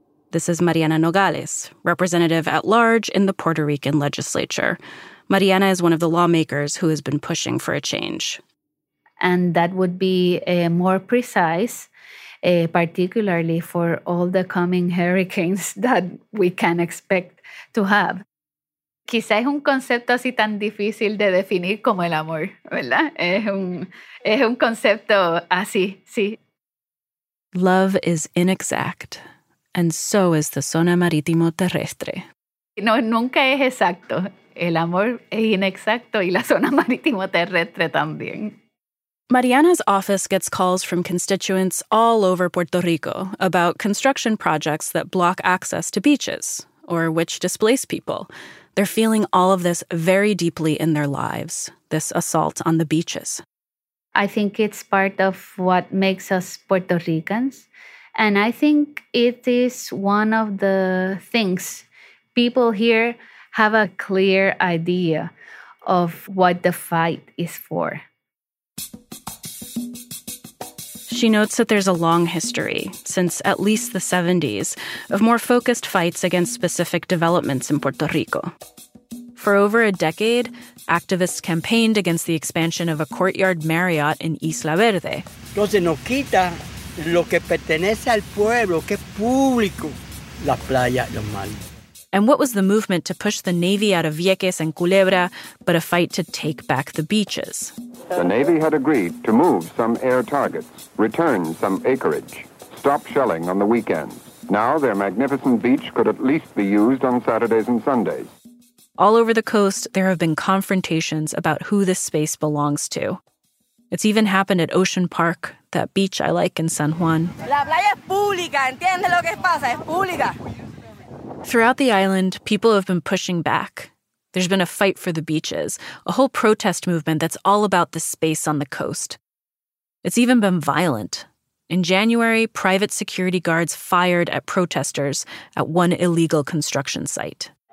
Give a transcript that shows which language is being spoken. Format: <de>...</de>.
<en>This is Mariana Nogales, representative at large in the Puerto Rican legislature. Mariana is one of the lawmakers who has been pushing for a change. And that would be a more precise, particularly for all the coming hurricanes that we can expect to have.</en> <es>Quizá es un concepto así tan difícil de definir como el amor, ¿verdad? Es un concepto así, sí.</es> <en>Love is inexact, and so is the zona marítimo terrestre.</en> <es>No, nunca es exacto. El amor es inexacto y la zona marítimo terrestre también.</es> <en>Mariana's office gets calls from constituents all over Puerto Rico about construction projects that block access to beaches or which displace people. They're feeling all of this very deeply in their lives, this assault on the beaches. I think it's part of what makes us Puerto Ricans. And I think it is one of the things people here have a clear idea of what the fight is for. She notes that there's a long history, since at least the 70s, of more focused fights against specific developments in Puerto Rico. For over a decade, activists campaigned against the expansion of a Courtyard Marriott in Isla Verde.</en> <es>Entonces nos quita lo que pertenece al pueblo, que es público, la playa, los mares.</es> <en>And what was the movement to push the Navy out of Vieques and Culebra, but a fight to take back the beaches? The Navy had agreed to move some air targets, return some acreage, stop shelling on the weekends. Now their magnificent beach could at least be used on Saturdays and Sundays. All over the coast, there have been confrontations about who this space belongs to. It's even happened at Ocean Park, that beach I like in San Juan.</en> <es>La playa es pública, ¿entiendes lo que pasa? Es pública.</es> <en>Throughout the island, people have been pushing back. There's been a fight for the beaches, a whole protest movement that's all about the space on the coast. It's even been violent. In January, private security guards fired at protesters at one illegal construction site.</en>